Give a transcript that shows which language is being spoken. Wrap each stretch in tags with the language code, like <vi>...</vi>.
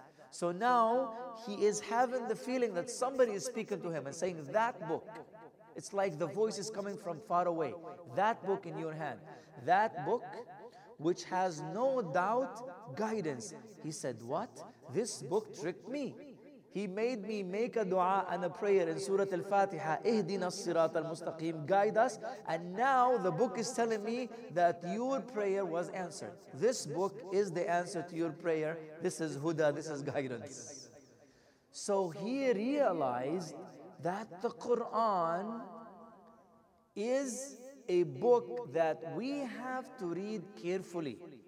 <en>So now he is having the feeling that somebody is speaking to him and saying that book. It's like the voice is coming from far away. That book in your hand. That book which has no doubt guidance. He said, what? This book tricked me. He made me make a dua and a prayer in Surah Al-Fatiha.</en> <ar>اِهْدِنَا الصِّرَاطَ الْمُسْتَقِيمِ,</ar> <en>guide us. And now the book is telling me that your prayer was answered. This book is the answer to your prayer. This is huda, this is guidance. So he realized that the Quran is a book that we have to read carefully.</en>